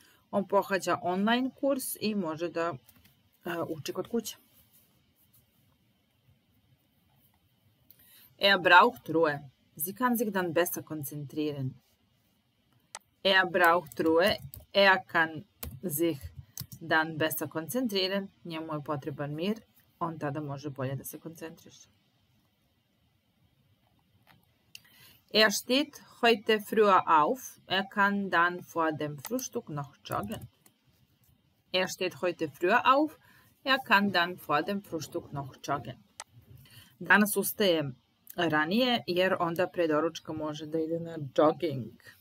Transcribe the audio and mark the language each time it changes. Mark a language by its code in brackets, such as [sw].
[sr] On pohađa Online-Kurs i može da uči kod kuće. [de] Er braucht Ruhe. Sie kann sich dann besser konzentrieren. Er braucht Ruhe. Er kann sich dann besser konzentrieren. [sr] Njemu je potreban mir. On tada može bolje da se koncentriše. [de] Er steht heute früher auf. Er kann dann vor dem Frühstück noch joggen. Er steht heute früher auf. Er kann dann vor dem Frühstück noch joggen. [sr] Danas ustaje ranije, jer onda pre doručka može da ide na jogging.